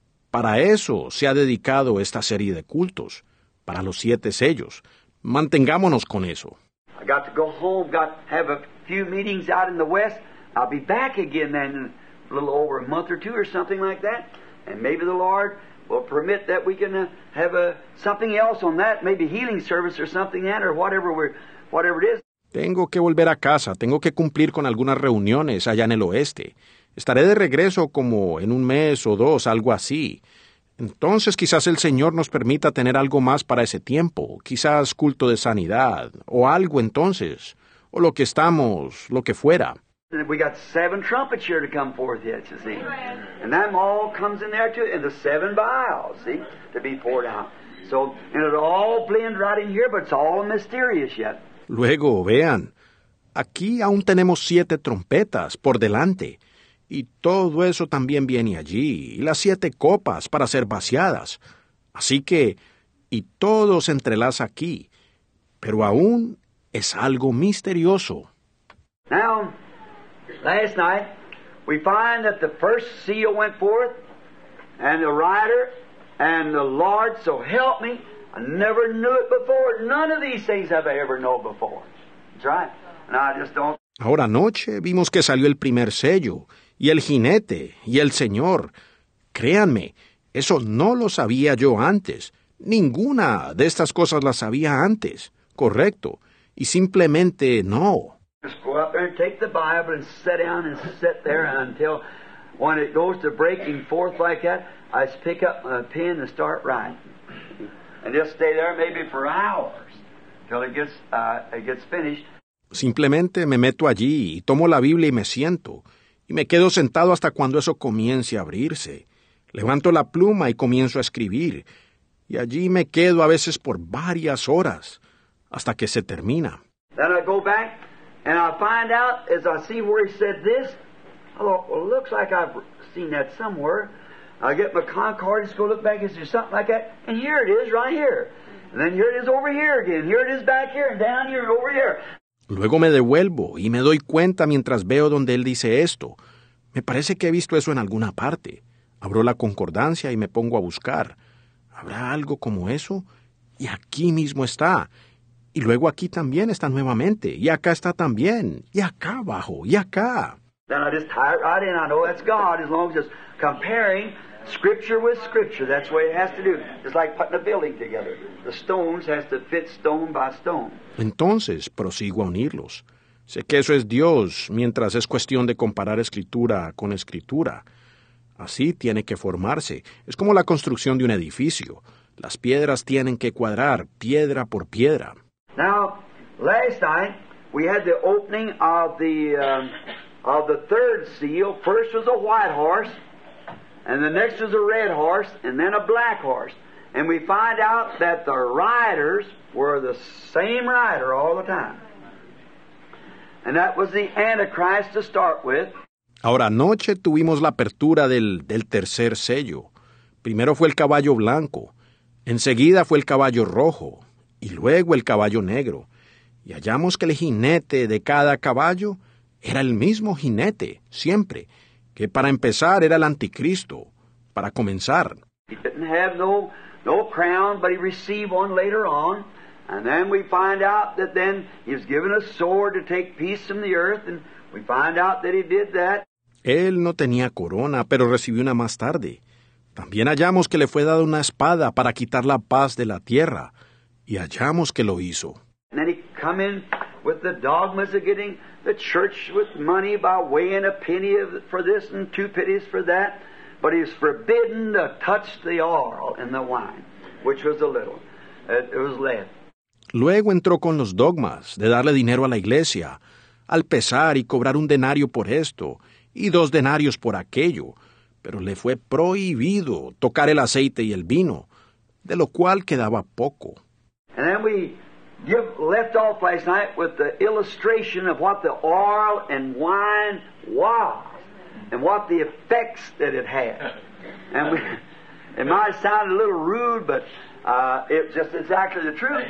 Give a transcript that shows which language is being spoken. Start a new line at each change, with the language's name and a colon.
Spanish: Para eso se ha dedicado esta serie de cultos. Para los siete sellos. Mantengámonos con eso.
English: I got to go home, got to have a few meetings out in the West. I'll be back again then in a little over a month or two or something like that. And maybe the Lord will permit that we can have something else on that, maybe healing service or something that, or whatever it is.
Spanish: Tengo que volver a casa, tengo que cumplir con algunas reuniones allá en el oeste. Estaré de regreso como en un mes o dos, algo así. Entonces quizás el Señor nos permita tener algo más para ese tiempo, quizás culto de sanidad, o algo entonces, o lo que estamos, lo que fuera.
English: We got seven trumpets here to come forth yet, you see. And that all comes in there too, and the seven vials, see, to be poured out. So, and it all blend right in here, but it's all mysterious yet.
Spanish: Luego, vean, aquí aún tenemos siete trompetas por delante, y todo eso también viene allí, y las siete copas para ser vaciadas. Así que, y todo se entrelaza aquí, pero aún es algo misterioso.
English: Now, last night, we find that the first seal went forth, and the rider, and the Lord, so help me, I never knew it before. None of these things have I ever known before. That's right. And I just don't.
Spanish: Ahora anoche vimos que salió el primer sello, y el jinete, y el Señor. Créanme, eso no lo sabía yo antes. Ninguna de estas cosas las sabía antes. Correcto. Y simplemente no.
English: Just go up there and take the Bible and sit down and sit there until when it goes to breaking forth like that, I just pick up my pen and start writing. And just stay there maybe for hours until it gets finished.
Spanish: Simplemente me meto allí y tomo la Biblia y me siento. y me quedo sentado hasta cuando eso comience a abrirse. Levanto la pluma y comienzo a escribir, y allí me quedo a veces por varias horas hasta que se termina.
English: Then I go back and I find out, as I see where he said this, well, it looks like I've seen that somewhere. I get my concord, just go look back and see something like that, and here it is right here. And then here it is over here again. Here it is back here and down here and over here.
Spanish: Luego me devuelvo y me doy cuenta mientras veo donde él dice esto. Me parece que he visto eso en alguna parte. Abro la concordancia y me pongo a buscar. ¿Habrá algo como eso? Y aquí mismo está. Y luego aquí también está nuevamente. Y acá está también. Y acá abajo. Y acá.
English: Then I just tie it right in. I know that's God, as long as it's comparing scripture with scripture. That's what it has to do. It's like putting a building together. The stones has to fit stone by stone.
Spanish: Entonces, prosigo a unirlos. Sé que eso es Dios, mientras es cuestión de comparar escritura con escritura. Así tiene que formarse. Es como la construcción de un edificio. Las piedras tienen que cuadrar, piedra por piedra.
English: Now, last night, we had the opening of the third seal. First was a white horse, and the next was a red horse, and then a black horse. And we find out that the riders were the same rider all the time. And that was the Antichrist to start with.
Spanish: Ahora anoche tuvimos la apertura del tercer sello. Primero fue el caballo blanco, enseguida fue el caballo rojo, y luego el caballo negro. Y hallamos que el jinete de cada caballo era el mismo jinete, siempre, que para empezar era el anticristo, para comenzar.
English: He didn't have no crown, but he received one later on. And then we find out that then he was given a sword to take peace from the earth, and we find out that he did that.
Spanish: Él no tenía corona, pero recibió una más tarde. También hallamos que le fue dada una espada para quitar la paz de la tierra, y hallamos que lo hizo.
English: And then he come in with the dogmas of getting the church with money by weighing a penny for this and two pennies for that, but he was forbidden to touch the oil and the wine, which was a little. It was lead.
Spanish: Luego entró con los dogmas de darle dinero a la iglesia, al pesar y cobrar un denario por esto y dos denarios por aquello, pero le fue prohibido tocar el aceite y el vino, de lo cual quedaba poco.
English: And then we left off last night with the illustration of what the oil and wine was and what the effects that it had. And it might sound a little rude, but it's just exactly the truth.